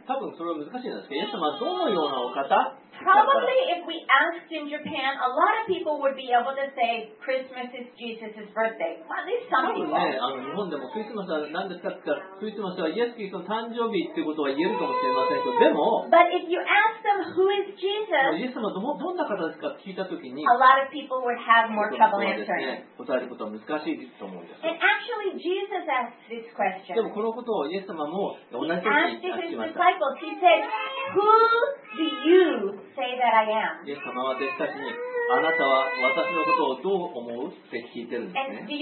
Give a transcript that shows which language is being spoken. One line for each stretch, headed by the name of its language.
Japanese: 多分それは難しいんですけど、イエス様はどのようなお方？
English: Probably if we asked in Japan, a lot of people would be able to say Christmas is Jesus' birthday. At least some people.
Japanese: 多分ね、日本でもクリスマスは何ですかって言ったら、クリスマスはイエスキリストの誕生日ってことは言えるかもしれませんけど、でも、
English: But if you ask them who is Jesus,
Japanese: イエス様はどんな方ですかって聞いたときに、
English: a lot of people would have more trouble answering.
Japanese: 答えることは難しいと思うんです。
English: And actually, Jesus asked this question.
Japanese: でもこのことをイエス様も同じように聞きました。イエス様は弟子たちに、あなたは私のことをどう思うって聞いてるんですね。